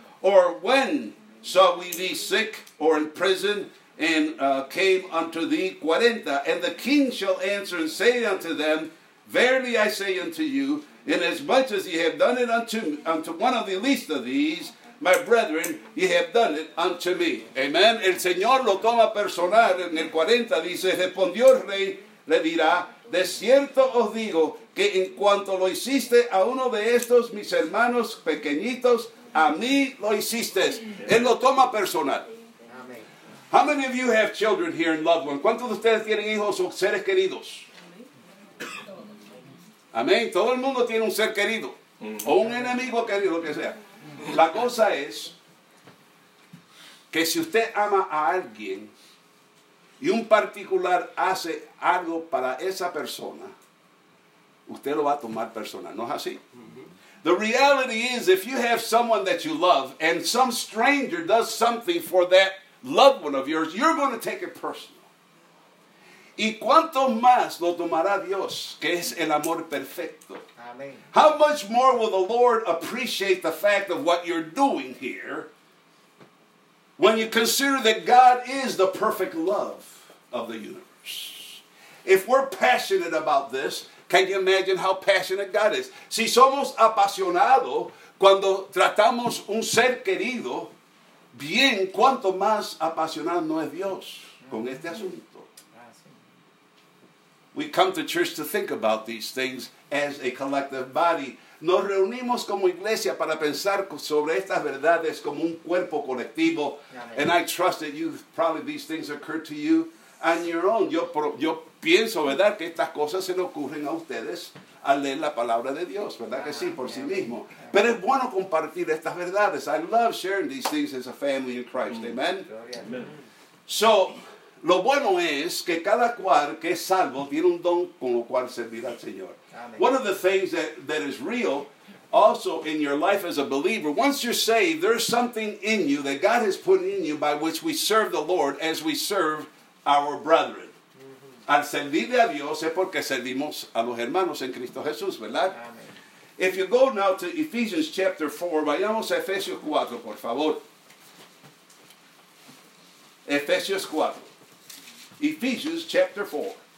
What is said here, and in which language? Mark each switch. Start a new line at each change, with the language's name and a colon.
English: Or when saw we thee sick, or in prison, and came unto thee? 40. And the king shall answer and say unto them, verily I say unto you, inasmuch as ye have done it unto one of the least of these, my brethren, ye have done it unto me.
Spanish: Amen. El Señor lo toma personal en el 40. Dice, respondió el rey, le dirá, de cierto os digo que en cuanto lo hiciste a uno de estos mis hermanos pequeñitos, a mí lo hiciste. Él lo toma personal.
English: How many of you have children here in loved ones?
Spanish: ¿Cuántos de ustedes tienen hijos o seres queridos? Amén. Todo el mundo tiene un ser querido. O un enemigo querido, lo que sea. La cosa es que si usted ama a alguien y un particular hace algo para esa persona, usted lo va a tomar personal. ¿No es así?
English: The reality is, if you have someone that you love and some stranger does something for that loved one of yours, you're going to take it personal.
Spanish: ¿Y cuánto más lo tomará Dios, que es el amor perfecto?
English: Amen. How much more will the Lord appreciate the fact of what you're doing here when you consider that God is the perfect love of the universe? If we're passionate about this, can you imagine how passionate God is?
Spanish: Si somos apasionados cuando tratamos un ser querido, bien, ¿cuánto más apasionado no es Dios con este asunto?
English: We come to church to think about these things as a collective body.
Spanish: Nos reunimos como iglesia para pensar sobre estas verdades como un cuerpo colectivo.
English: Amen. And I trust that you probably these things occur to you on your own.
Spanish: Yo pienso, ¿verdad?, que estas cosas se le ocurren a ustedes al leer la palabra de Dios, ¿verdad que sí? Por sí mismo. Pero es bueno compartir estas verdades.
English: I love sharing these things as a family in Christ. Amen. Amen.
Spanish: So, lo bueno es que cada cual que es salvo tiene un don con lo cual servir al Señor.
English: Amen. One of the things that is real also in your life as a believer, once you're saved, there's something in you that God has put in you by which we serve the Lord as we serve our brethren. Mm-hmm.
Spanish: Al servirle a Dios es porque servimos a los hermanos en Cristo Jesús, ¿verdad?
English: Amen. If you go now to Ephesians chapter 4,
Spanish: vayamos a Efesios 4, por favor.
English: Efesios 4. Ephesians chapter 4.